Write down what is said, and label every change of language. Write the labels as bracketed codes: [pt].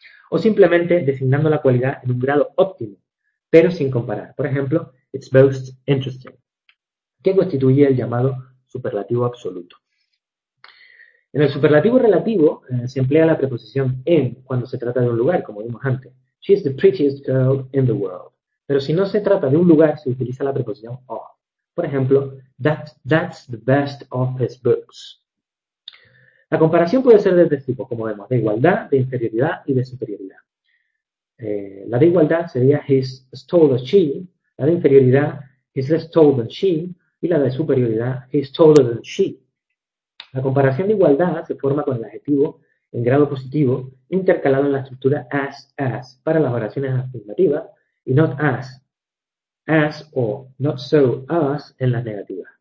[es] O simplemente designando la cualidad en un grado óptimo, pero sin comparar. Por ejemplo, [en] it's most interesting, [es] que constituye el llamado superlativo absoluto. En el superlativo relativo se emplea la preposición en cuando se trata de un lugar, como vimos antes. [en] She is the prettiest girl in the world. [es] Pero si no se trata de un lugar, se utiliza la preposición of. Por ejemplo, [en] that's the best of his books. [es] La comparación puede ser de tres tipos, como vemos, de igualdad, de inferioridad y de superioridad. La de igualdad sería [en] he's as tall as she, [es] la de inferioridad [en] he's less tall than she [es] y la de superioridad [en] he's taller than she. [es] La comparación de igualdad se forma con el adjetivo en grado positivo intercalado en la estructura as para las oraciones afirmativas y not as o not so as en las negativas.